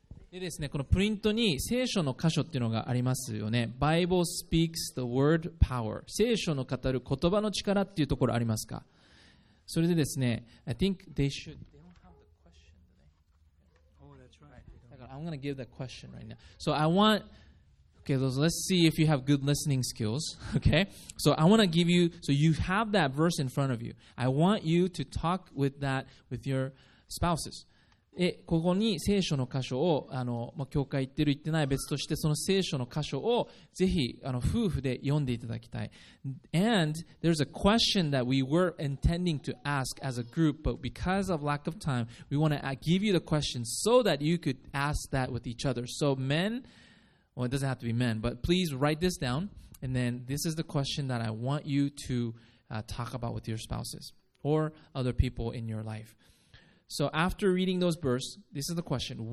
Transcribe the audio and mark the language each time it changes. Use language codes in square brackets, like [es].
[ja] でですね、このプリントに聖書の箇所っていうのがありますよね。 [en] Bible speaks the word power. [ja] 聖書の語る言葉の力っていうところありますか。それでですね、 [en] I think they should they don't have the question today. Oh, that's right. [ja] だから [en] I'm going to give that question right now. So I want okay, so let's see if you have good listening skills. Okay, so I want to give you so you have that verse in front of you. I want you to talk with that with your spouses. [ja] え、ここに聖書の箇所を教会行ってる行ってない別として、その聖書の箇所をぜひ夫婦で読んでいただきたい。 [en] And there's a question that we were intending to ask as a group, but because of lack of time, we want to give you the question so that you could ask that with each other. So men, well, it doesn't have to be men, but please write this down, and then this is the question that I want you to talk about with your spouses or other people in your lifeSo after reading those verses, this is the question.